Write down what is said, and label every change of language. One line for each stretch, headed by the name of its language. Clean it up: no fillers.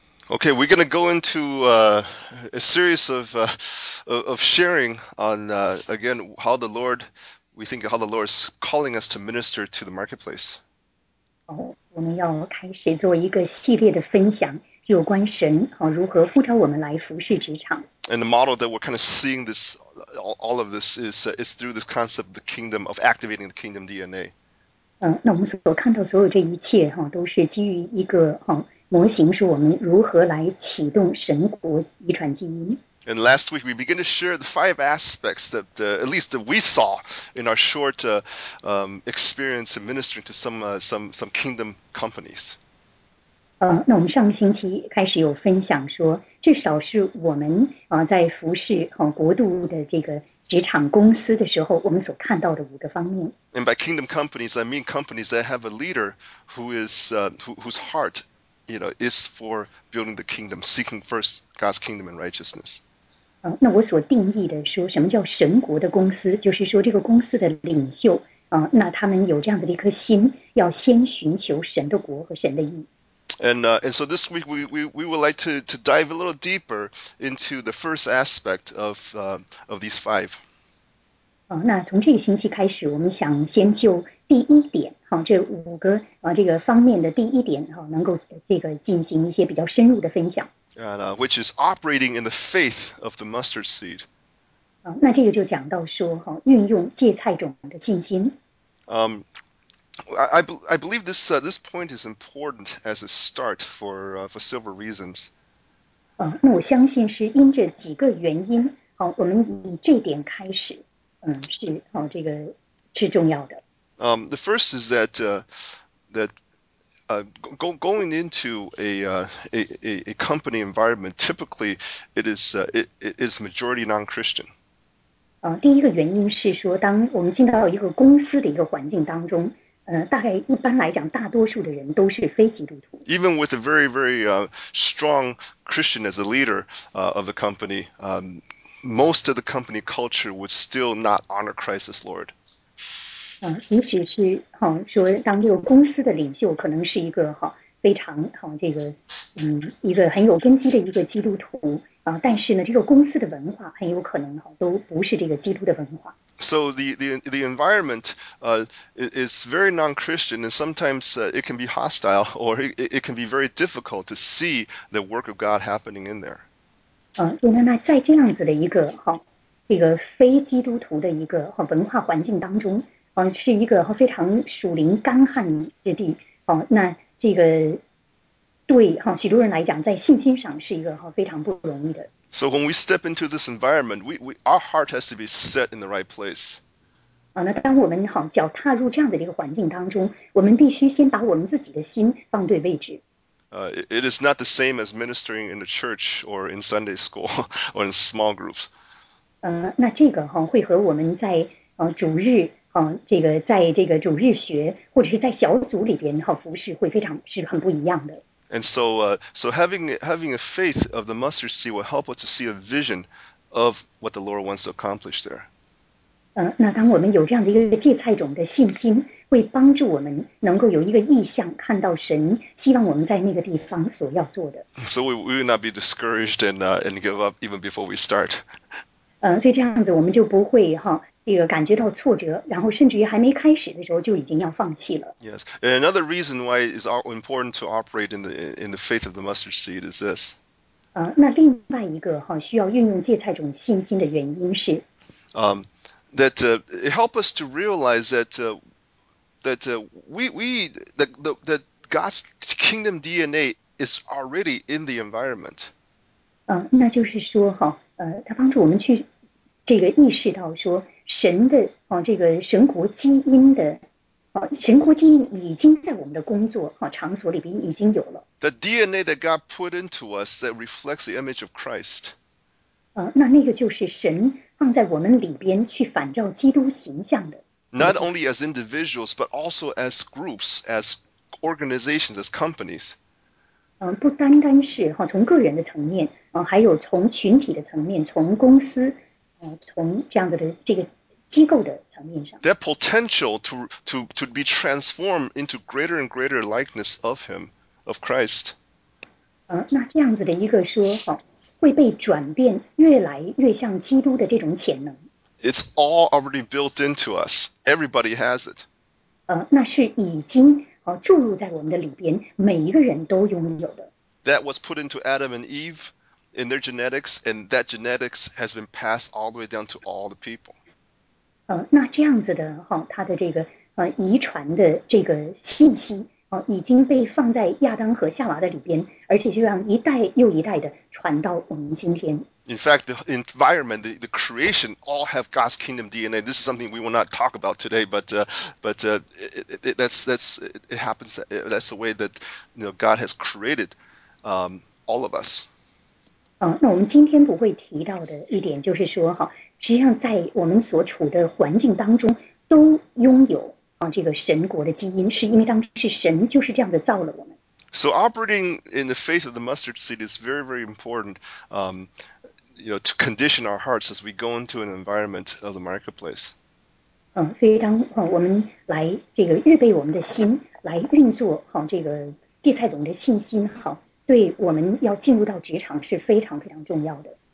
English: Okay, we're going to go into a series of sharing on, again, how the Lord, we think how the Lord is calling us to minister to the marketplace.
Chinese: 我们要开始做一个系列的分享，有关神如何呼召我们来服事职场。
English: And the model that we're kind of seeing this, all of this is through this concept of the kingdom, of activating the kingdom DNA.
Chinese: 那我们所看到所有这一切都是基于一个模型，是我们如何来启动神国遗传基因。
English: And last week we began to share the five aspects that at least that we saw in our short experience in ministering to some kingdom companies.
Chinese: 那我们上个星期开始有分享说，至少是我们在服事国度的这个职场公司的时候，我们所看到的五个方面。
English: And by kingdom companies, I mean companies that have a leader who is whose heart, you know, is for building the kingdom, seeking first God's kingdom and righteousness.
Chinese: 那我所定义的说，什么叫神国的公司，就是说这个公司的领袖那他们有这样的一颗心，要先寻求神的国和神的义。
English: And so this week we would like to dive a little deeper into the first aspect of these five.
Chinese: 那从这个星期开始，我们想先就第一点这五个这个方面的第一点能够这个进行一些比较深入的分享。
English: And which is operating in the faith of the mustard seed.
Chinese: 那这个就讲到说运用芥菜种的信心。
English: I believe this this point is important as a start for several reasons.
Chinese: 那我相信是因着几个原因我们以这点开始是这个是重要的。
English: The first is that going into a company environment, typically it is majority non-Christian.
Chinese: 第一个原因是说，当我们进到一个公司的一个环境当中，大概一般来讲，大多数的人都是非基督徒。
English: Even with a very, very strong Christian as a leader of the company, most of the company culture would still not honor Christ as Lord.
Chinese: 即使是说，当这个公司的领袖可能是一个非常这个一个很有根基的一个基督徒但是呢，这个公司的文化很有可能都不是这个基督的文化。
English: So the environment is very non-Christian, and sometimes it can be hostile, or it can be very difficult to see the work of God happening in there.
Chinese: 那在这样子的一个这个非基督徒的一个文化环境当中，是一个非常属灵干旱之地，那这个对许多人来讲，在信心上是一个非常不容易的。
English: So when we step into this environment, our heart has to be set in the right place.
Chinese: 那当我们脚踏入这样的一个环境当中，我们必须先把我们自己的心放对位置。
English: It is not the same as ministering in a church or in Sunday school or in small groups.
Chinese: 那这个会和我们在主日这个在这个主日学或者是在小组里边服事会非常是很不一样的。
English: And so, so having a faith of the mustard seed will help us to see a vision of what the Lord wants to accomplish there.
Chinese: 那当我们有这样的一个芥菜种的信心，会帮助我们能够有一个意向，看到神希望我们在那个地方所要做的。
English: So we will not be discouraged and give up even before we start.
Chinese: 所以这样子我们就不会这个感觉到挫折，然后甚至于还没开始的时候就已经要放弃了。
English: Yes, and another reason why it's important to operate in the faith of the mustard seed is this.
Chinese: 那另外一个需要运用芥菜种信心的原因是，
English: that it helps us to realize that God's kingdom DNA is already in the environment.
Chinese: 那就是说它帮助我们去这个意识到说。神的这个神国基因的神国基因已经在我们的工作场所里边已经有了。
English: The DNA that God put into us that reflects the image of Christ.
Chinese: 那个就是神放在我们里边去反照基督形象的。
English: Not only as individuals, but also as groups, as organizations, as companies.
Chinese: 不单单是从个人的层面还有从群体的层面，从公司从这样子的这个机构的层面上
English: ，that potential to be transformed into greater and greater likeness of Him, of Christ.
Chinese: 那这样子的一个说法会被转变，越来越像基督的这种潜能。
English: It's all already built into us. Everybody has it.
Chinese: 那是已经注入在我们的里边，每一个人都拥有的。
English: That was put into Adam and Eve in their genetics, and that genetics has been passed all the way down to all the people.
Chinese: 那这样子的哈，它的这个遗传的这个信息已经被放在亚当和夏娃的里边，而且就让一代又一代的传到我们今天。
English: In fact, the environment, the creation, all have God's kingdom DNA. This is something we will not talk about today, but it happens. That's the way that God has created all of us.
Chinese: 那我们今天不会提到的一点就是说哈，实际上在我们所处的环境当中都拥有这个神国的基因，是因为当时神就是这样子造了我们。
English: So operating in the faith of the mustard seed is very, very important. To condition our hearts as we go into an environment of the marketplace.
Chinese: 所以当我们来这个预备我们的心，来运作这个芥菜种的信心，对我们要进入到职场是非常非常重要的。